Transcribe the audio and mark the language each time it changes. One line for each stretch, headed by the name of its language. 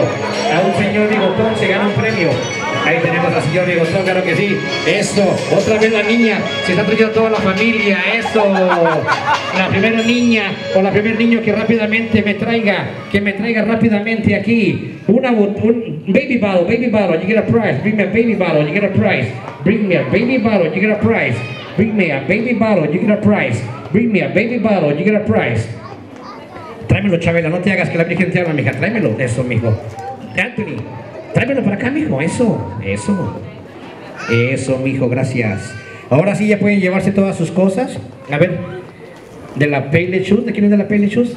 Spanish: A un señor bigotón se gana un premio. Ahí tenemos al señor bigotón, claro que sí. Esto, otra vez la niña. Se está trayendo toda la familia. Esto. La primera niña o la primer niño que rápidamente me traiga. Que me traiga rápidamente aquí.
English: Un baby bottle, baby bottle, you get a prize. Bring me a baby bottle, you get a prize. Bring me a baby bottle, you get a prize. Bring me a baby bottle, you get a prize. Bring me a baby bottle, you get a prize.
Spanish: Tráemelo, Chabela, no te hagas que la Virgen te habla, mija. Tráemelo, eso, mijo. Anthony, tráemelo para acá, mijo. Eso, eso. Eso, mijo, gracias. Ahora sí ya pueden llevarse todas sus cosas. A ver, de la Payless Shoes, ¿de quién es de la Payless Shoes?